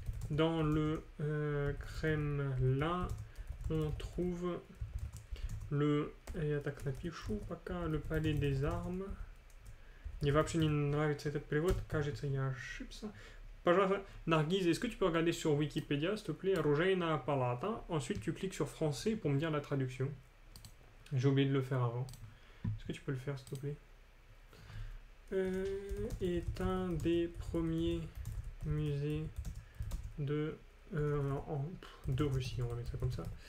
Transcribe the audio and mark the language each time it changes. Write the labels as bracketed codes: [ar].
[fr] Dans le Kremlin, on trouve le... [ru] Я так напишу пока, [fr] le palais des armes. [ru] Мне вообще не нравится этот перевод, кажется, я ошибся. Пожалуйста, [fr] Наргиз, est-ce que tu peux regarder sur Wikipédia, s'il te plaît, Оружейная палата? Ensuite, tu cliques sur Français pour me dire la traduction. J'ai oublié de le faire avant. Est-ce que tu peux le faire, s'il te plaît? Est un des premiers musées de Russie, on va mettre ça comme ça.